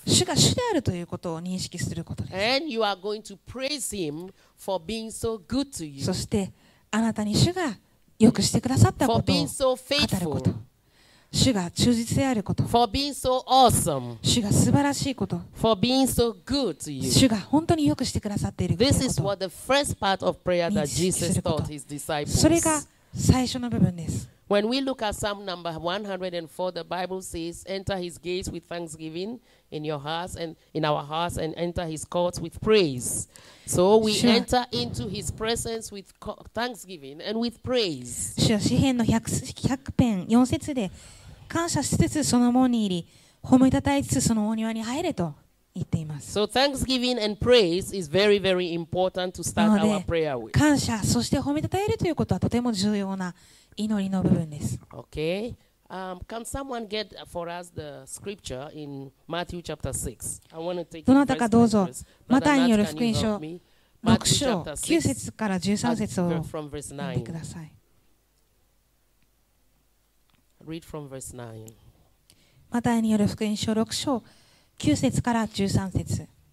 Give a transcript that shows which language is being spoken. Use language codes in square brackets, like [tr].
[ja] 主が主であるということを認識することです。 [en] And you are going to praise him for being so good to you. [ja] そしてあなたに主が良くしてくださったことを語ること。主が忠実であること。 [en] For being so awesome. [ja] 主が素晴らしいこと。 [en] For being so good to you. [ja] 主が本当に良くしてくださっていること。 [en] This is what the first part of prayer that Jesus taught his disciples. [ja] それが最初の部分です。 [en] When we look at Psalm number 104, the Bible says, "Enter his gates with thanksgiving in your hearts and in our hearts, and enter his courts with praise." So we enter into his presence with thanksgiving and with praise. [ja] 主は詩篇の100篇4節で感謝しつつその門に入り、褒めたたえつつその大庭に入れと言っています。 [en] So thanksgiving and praise is very, very important to start our prayer with. [ja] 感謝そして褒めたたえるということはとても重要な祈りの部分です。 [en] Okay. Can someone get for us the scripture in Matthew chapter 6? I want to take. [ja] どなたかどうぞ。マタイによる福音書6章9節から13節を読んでください。 [en] Read from verse 9. [ja] マタイによる福音書6章9節から13節。